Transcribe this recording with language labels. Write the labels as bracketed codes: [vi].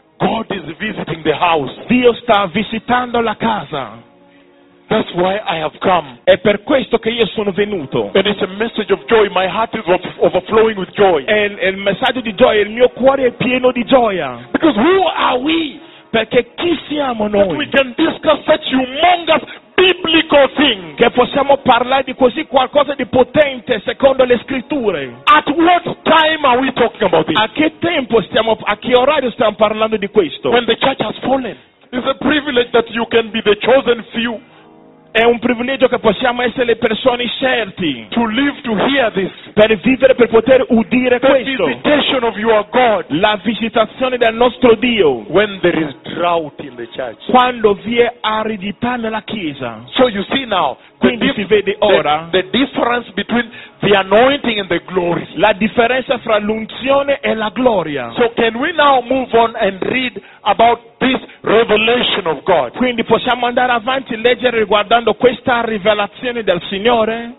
[en] God is visiting the house. [it] Dio sta visitando la casa. [en] That's why I have come. [it] È per questo che io sono venuto. [en] And it's a message of joy. My heart is overflowing with joy. [it] È il messaggio di gioia. Il mio cuore è pieno di gioia. [en] Because who are we? [it] Perché chi siamo noi? [en] That we can discuss such humongous biblical thing. [it] Che possiamo parlare di così qualcosa di potente secondo le scritture. [en] At what time are we talking about this? [it] A che tempo stiamo, a che orario stiamo parlando di questo? [en] When the church has fallen. It's a privilege that you can be the chosen few. [it] È un privilegio che possiamo essere le persone scelte. [en] To live to hear this. [it] Per vivere, per poter udire the questo. [en] The visitation of your God. [it] La visitazione del nostro Dio. [en] When there is drought in the church. [it] Quando vi è aridità nella chiesa. [en] So you see now. [it] Quindi si vede ora. [en] The difference between the anointing and the glory. [it] La differenza fra l'unzione e la gloria. [en] So can we now move on and read about this revelation of God? [it] Quindi possiamo andare avanti e leggere riguardando questa rivelazione del Signore?